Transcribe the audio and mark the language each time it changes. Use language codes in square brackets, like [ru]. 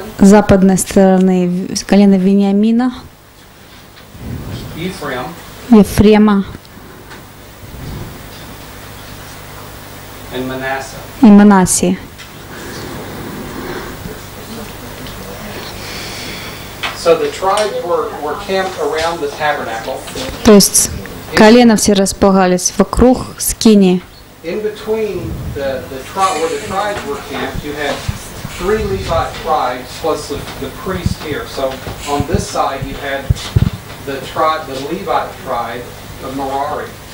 [ru] западной стороны колено Вениамина, Ефрема и Манасии. [en] So the tribes were camped around the tabernacle. [ru] То есть колена все располагались вокруг скинии. [en] In between where the tribes were camped, you had three Levite tribes plus the priest here. So on this side you had the Levite tribe of Merari.